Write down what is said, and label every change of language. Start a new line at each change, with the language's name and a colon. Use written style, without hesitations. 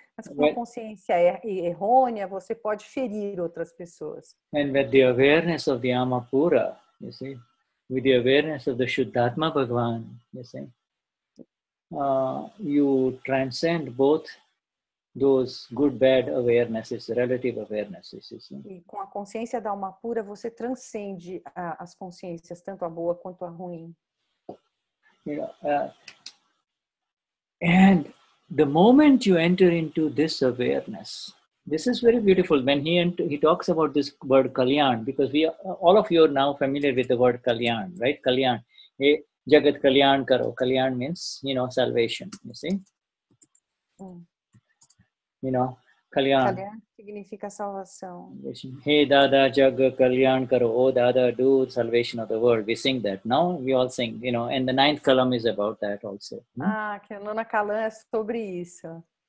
Portuguese: Mas com uma consciência errônea, você pode ferir outras pessoas.
English: And with the awareness of the Amapura, you see, with the awareness of the Shuddhatma Bhagavan, you see, you transcend both those good bad awarenesses, relative awarenesses.
Portuguese: E com a consciência da alma pura, você transcende as consciências, tanto a boa quanto a ruim.
English: And the moment you enter into this awareness, this is very beautiful. When he talks about this word Kalyan, because we are, all of you are now familiar with the word Kalyan, right? Kalyan. Hey,
Gujarati: Jagat Kalyan Karo.
English: Kalyan means, you know, salvation, you see? You know, Kalyan.
Portuguese: Kalyan significa salvação.
Gujarati: Hey, Dada, Jagat Kalyan Karo.
English: Oh, Dada, do salvation of the world. We sing that. Now we all sing, you know, and the ninth column is about that also. Hmm?
Portuguese: Ah, que a nona calã é sobre isso.